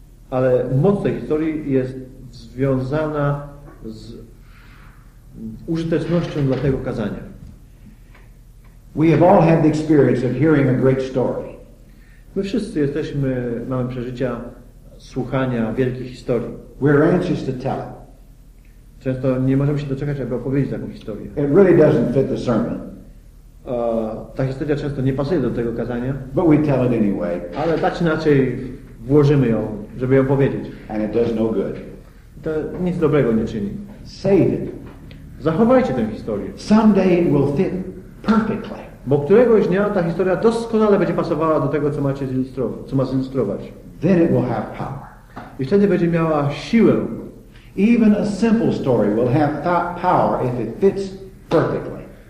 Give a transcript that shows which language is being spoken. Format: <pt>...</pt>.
<pl>Ale moc tej historii jest związana z użytecznością dla tego kazania.</pl> <en>We have all had the experience of hearing a great story.</en> <pl>My wszyscy jesteśmy, mamy przeżycia słuchania wielkich historii.</pl> <en>We're anxious to tell it.</en> <pl>Często nie możemy się doczekać, aby opowiedzieć taką historię.</pl> <en>It really doesn't fit the sermon.</en> <pl>Ta historia często nie pasuje do tego kazania.</pl> <en>But we tell it anyway.</en> <pl>Ale tak czy inaczej włożymy ją, żeby ją powiedzieć.</pl> <en>And it does no good.</en> <pl>To nic dobrego nie czyni.</pl> <en>Save it.</en> <pl>Zachowajcie tę historię.</pl> <en>Someday it will fit. Perfectly.</en> <pl>Bo któregoś dnia ta historia doskonale będzie pasowała do tego, co macie zilustrować, co ma zilustrować.</pl> <en>Then it will have power.</en> <pl>I wtedy będzie miała siłę.</pl> <en>Even a simple story will have that power if it fits perfectly.</en>